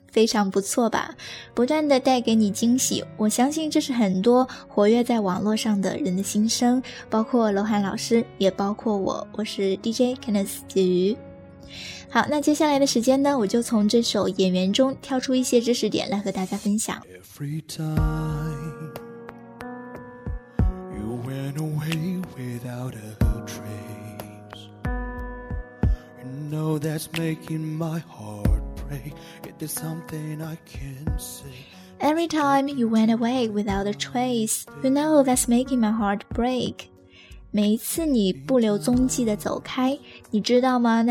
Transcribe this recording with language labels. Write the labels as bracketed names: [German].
[Chinese] 非常不错吧，不断地带给你惊喜，我相信这是很多活跃在网络上的人的心声，包括楼涵老师，也包括我是 DJ Kenneth 子瑜。好，那接下来的时间呢，我就从这首《演员》中挑出一些知识点来和大家分享。 [English] Every time you went away without a trace, you know that's making my heart break. It is something I can't say. Every time you went away without a trace, you know that's making my heart break. [Chinese] 每一次你不留踪迹的走开，你知道吗？